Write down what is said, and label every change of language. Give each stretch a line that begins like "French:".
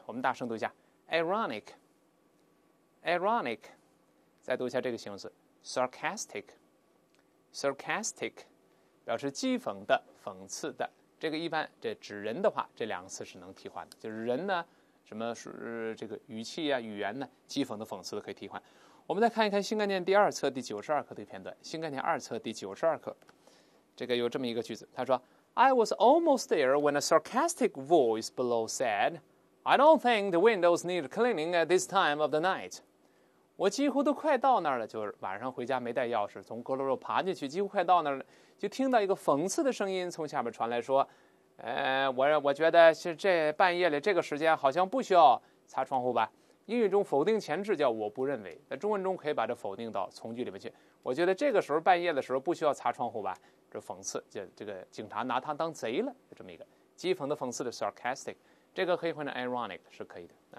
Chinese: 我们大声读一下 ironic， 再读一下这个形容词 sarcastic。表示讥讽的、讽刺的，这个一般这指人的话，这两个词是能替换的，就是人呢，什么是这个语气啊、语言呢，讥讽的、讽刺的可以替换。我们再看一看新概念第二册第92课的片段。新概念二册第92课，这个有这么一个句子，他说
English: ：“I was almost there when a sarcastic voice below said, 'I don't think the windows need cleaning at this time of the night.'”
Chinese: 我几乎都快到那儿了，就是晚上回家没带钥匙，从阁楼上爬进去，几乎快到那儿了。就听到一个讽刺的声音从下面传来，说我觉得是这半夜里这个时间好像不需要擦窗户吧。英语中否定前置叫我不认为，在中文中可以把这否定到从句里面去，我觉得这个时候半夜的时候不需要擦窗户吧，这讽刺，就这个警察拿他当贼了，就这么一个讥讽的、讽刺的 sarcastic， 这个可以换成 ironic 是可以的。